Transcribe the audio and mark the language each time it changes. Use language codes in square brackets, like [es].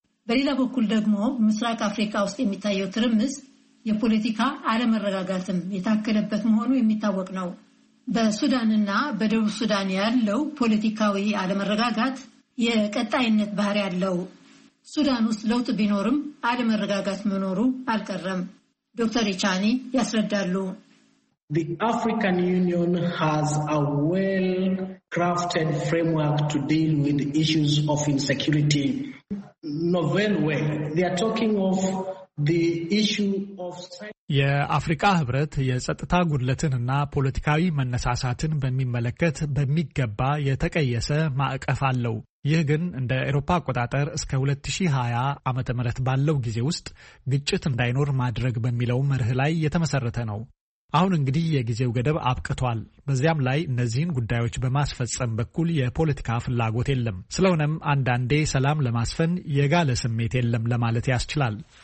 [am] በሌላ በኩል ደግሞ ምስራቅ አፍሪካ ውስጥ የሚታየው ትርምስ የፖለቲካ አለመረጋጋትም የታከለበት መሆኑ የሚታወቅ ነው። በሱዳንና በደቡብ ሱዳን ያለው ፖለቲካዊ አለመረጋጋት የቀጣይነት ባህሪ ያለው፣ ሱዳን ውስጥ ለውጥ ቢኖርም አለመረጋጋት መኖሩ አልቀረም። ዶክተር ኢቻኒ ያስረዳሉ። [en] The African Union has a well-crafted framework to deal with issues of insecurity. Novel way. They are talking of the issue of... [am] የአፍሪካ ህብረት የጸጥታ ጉድለትንና ፖለቲካዊ መነሳሳትን በሚመለከት በሚገባ የተቀየሰ ማዕቀፍ አለው። ይህ ግን እንደ አውሮፓ አቆጣጠር እስከ 2020 ዓመተ ምህረት ባለው ጊዜ ውስጥ ግጭት እንዳይኖር ማድረግ በሚለው መርህ ላይ የተመሰረተ ነው። አሁን እንግዲህ የጊዜው ገደብ አብቅቷል። በዚያም ላይ እነዚህን ጉዳዮች በማስፈጸም በኩል የፖለቲካ ፍላጎት የለም። ስለሆነም አንዳንዴ ሰላም ለማስፈን የጋለ ስሜት የለም ለማለት ያስችላል።